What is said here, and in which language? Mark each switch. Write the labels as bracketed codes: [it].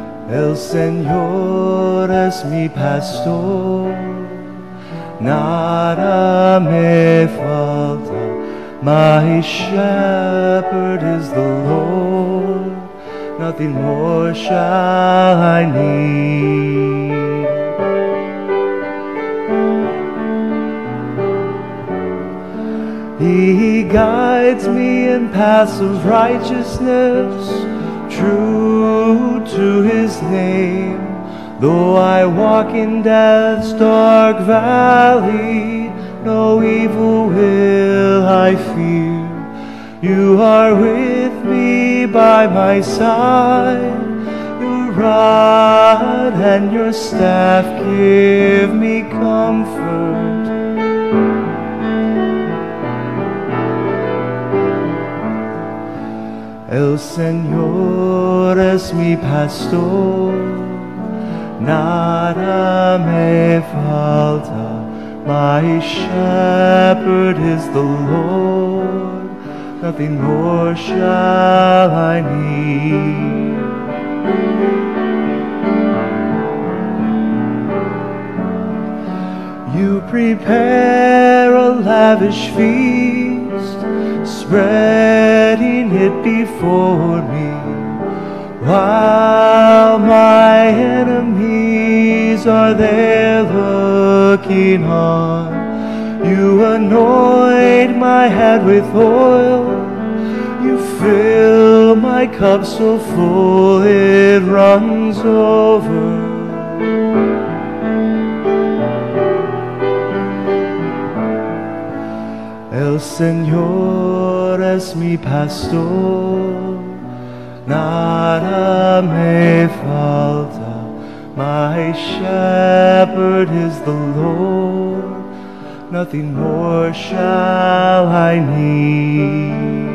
[es] El Señor es mi pastor, nada me falta. [en] My shepherd is the Lord, nothing more shall I need. He guides me in paths of righteousness, true to his name. Though I walk in death's dark valley, no evil will I fear. You are with me by my side, your rod and your staff give me comfort. [es] El Señor es mi pastor, nada me falta. [en] My shepherd is the Lord, nothing more shall I need. prepare a lavish feast, spreading it before me, while my enemies are there looking on. You anoint my head with oil, you fill my cup so full it runs over. [es] El Señor es mi pastor, nada me falta. [en] My shepherd is the Lord, nothing more shall I need.